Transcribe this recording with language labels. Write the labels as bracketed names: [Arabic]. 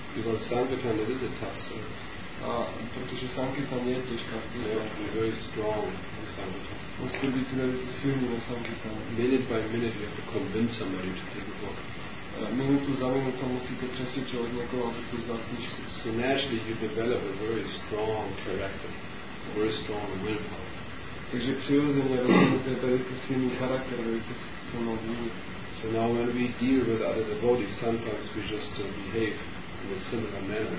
[English] Because Sankirtan, it is a tough service. [Czech] Protože Sankirtan je těžká služba. [English] You have to be very strong in Sankirtan. [Czech] Musíte být velice silní na Sankirtan. [English] Minute by minute you have to convince somebody to take a book. [Czech] Minutu za minutu musíte přesvědčovat někoho, aby si vzal knížku. [English] So naturally you develop a very strong character. A very strong willpower. [Czech] Takže přirozeně rozumíte velice silný charakter, velice silnou vůli. [English] So now when we deal with other devotees, sometimes we just behave in a similar manner.